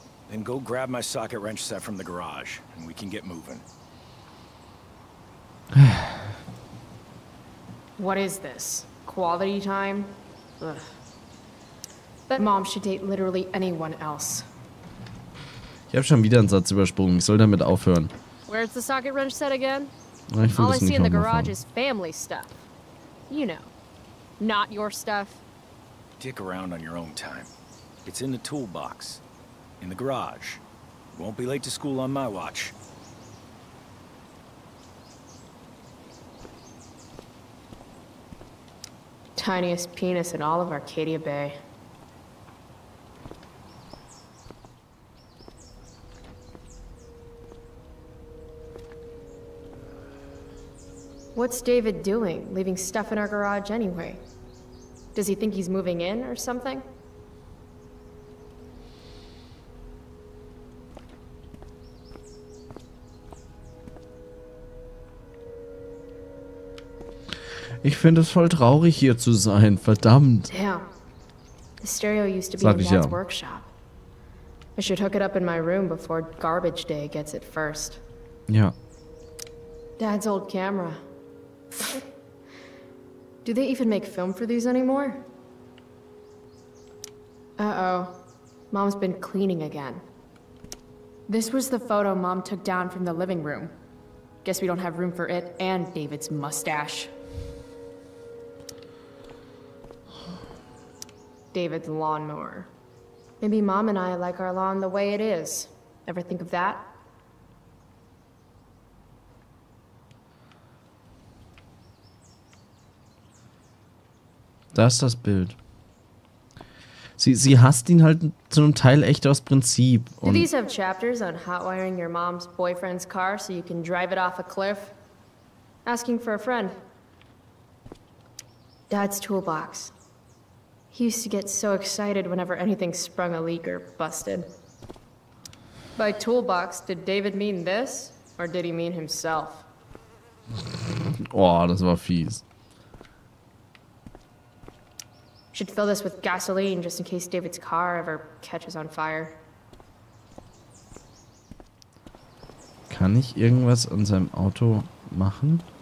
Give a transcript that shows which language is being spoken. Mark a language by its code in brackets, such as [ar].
[en] Then go grab my socket wrench set from the garage, and we can get moving. What is this? Quality time? Ugh. But Mom should date literally anyone else. [de] Ich habe schon wieder einen Satz übersprungen. Ich soll damit aufhören. [en] Where's the socket wrench set again? All I see in the garage is family stuff. You know, not your stuff. Dick around on your own time. It's in the toolbox. In the garage. Won't be late to school on my watch. Tiniest penis in all of Arcadia Bay. What's David doing, leaving stuff in our garage anyway? Does he think he's moving in or something? [de] Ich finde es voll traurig hier zu sein, verdammt. [en] Damn. The stereo used to be in Dad's workshop. I should hook it up in my room before garbage day gets it first. [de] Ja. [en] Dad's old camera. Do they even make film for these anymore? Uh-oh. Mom's been cleaning again. This was the photo Mom took down from the living room. Guess we don't have room for it and David's mustache. David's lawnmower. Maybe Mom and I like our lawn the way it is. Ever think of that? [de] Das ist das Bild. Sie hasst ihn halt zu einem Teil echt aus Prinzip. [en] Do these have chapters on hotwiring your mom's boyfriend's car so you can drive it off a cliff? Asking for a friend. Dad's toolbox. He used to get so excited whenever anything sprung a leak or busted. By toolbox, did David mean this, or did he mean himself? [de] Oh, das war fies. [en] Should fill this with gasoline just in case David's car ever catches on fire. [de] Kann ich irgendwas an seinem Auto machen?